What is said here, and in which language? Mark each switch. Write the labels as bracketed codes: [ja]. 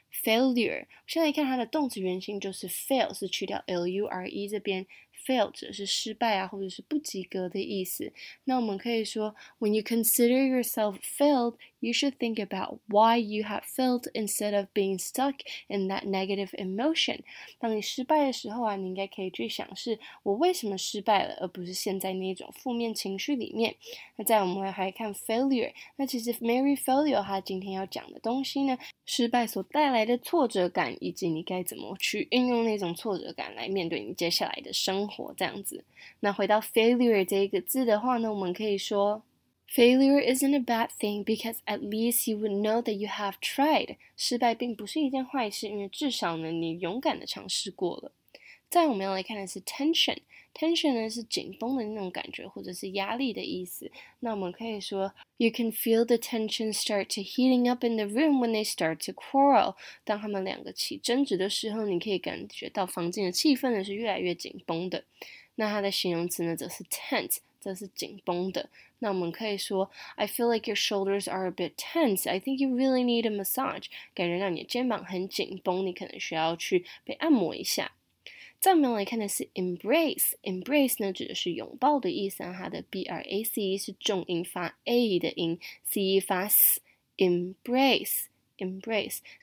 [zh] failure, 现在看它的动词原形就是 fail, 是去掉 l-u-r-e 这边 fail 指的是失败啊或者是不及格的意思。那我们可以说 [en] when you consider yourself failed, you should think about why you have failed instead of being stuck in that negative emotion. [zh] 当你失败的时候啊你应该可以去想是我为什么失败了而不是陷在那种负面情绪里面。那再我们来看 failure, 那其实 Mary Folio 她今天要讲的东西呢失败所带来的挫折感以及你该怎么去运用那种挫折感来面对你接下来的生活这样子。那回到 failure 这一个字的话呢我们可以说 [en] failure isn't a bad thing because at least you would know that you have tried. [zh] 失败并不是一件坏事因为至少呢你勇敢的尝试过了。再我们要来看的是 tension。tension 呢是紧绷的那种感觉或者是压力的意思。那我们可以说 [en] You can feel the tension start to heating up in the room when they start to quarrel. [zh] 当他们两个起争执的时候你可以感觉到房间的气氛呢是越来越紧绷的。那它的形容词呢则是 tense, 则是紧绷的。 [en] 那我们可以说 I feel like your shoulders are a bit tense. I think you really need a massage. [zh] 感觉到你的肩膀很紧绷你可能需要去被按摩一下。再我们来看的是 embrace, embrace 呢指的是拥抱的意思啊，它的 brace 是重音发 a 的音 ，c 发 s, embrace, embrace。